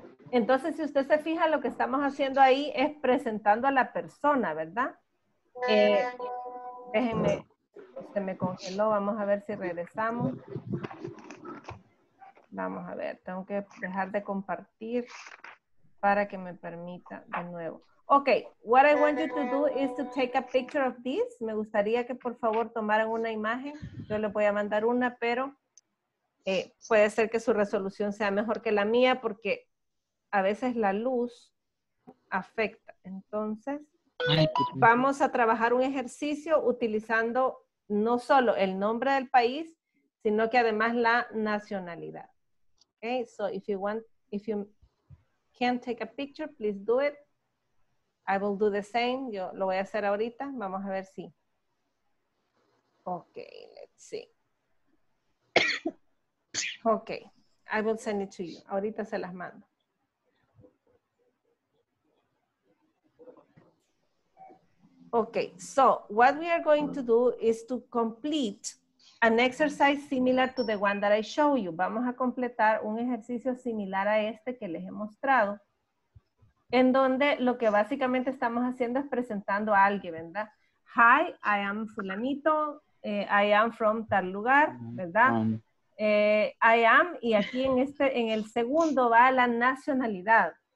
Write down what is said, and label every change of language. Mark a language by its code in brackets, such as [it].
[es] Entonces, si usted se fija, lo que estamos haciendo ahí es presentando a la persona, ¿verdad? Déjenme, se me congeló, vamos a ver si regresamos. Vamos a ver, tengo que dejar de compartir para que me permita de nuevo. [en] Ok, what I want you to do is to take a picture of this. [es] Me gustaría que por favor tomaran una imagen. Yo les voy a mandar una, pero puede ser que su resolución sea mejor que la mía porque a veces la luz afecta. Entonces, vamos a trabajar un ejercicio utilizando no solo el nombre del país, sino que además la nacionalidad. [en] Okay, so if you want, if you can take a picture, please do it. I will do the same. [es] Yo lo voy a hacer ahorita. Vamos a ver si. [en] Okay, let's see. Okay, I will send it to you. [es] Ahorita se las mando. [en] Okay, so what we are going to do is to complete an exercise similar to the one that I show you. [es] Vamos a completar un ejercicio similar a este que les he mostrado, en donde lo que básicamente estamos haciendo es presentando a alguien, ¿verdad? [en] Hi, I am fulanito, I am from tal lugar, ¿verdad? I am, [es] y aquí en este, en el segundo va la nacionalidad.